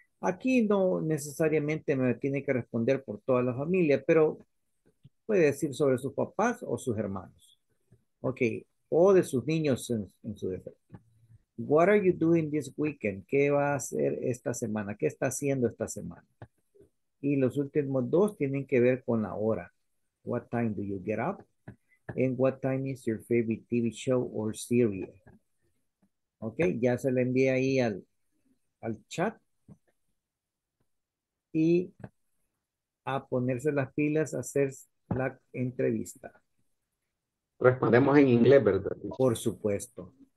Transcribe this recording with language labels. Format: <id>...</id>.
<es>Aquí no necesariamente me tiene que responder por toda la familia, pero puede decir sobre sus papás o sus hermanos. Ok, o de sus niños en su defecto.</es> <en>What are you doing this weekend?</en> <es>¿Qué va a hacer esta semana? ¿Qué está haciendo esta semana? Y los últimos dos tienen que ver con la hora.</es> <en>What time do you get up? And what time is your favorite TV show or series?</en> <es>Ok, ya se le envía ahí al chat. Y a ponerse las pilas, a hacer la entrevista. Respondemos en inglés, ¿verdad? Por supuesto.</es>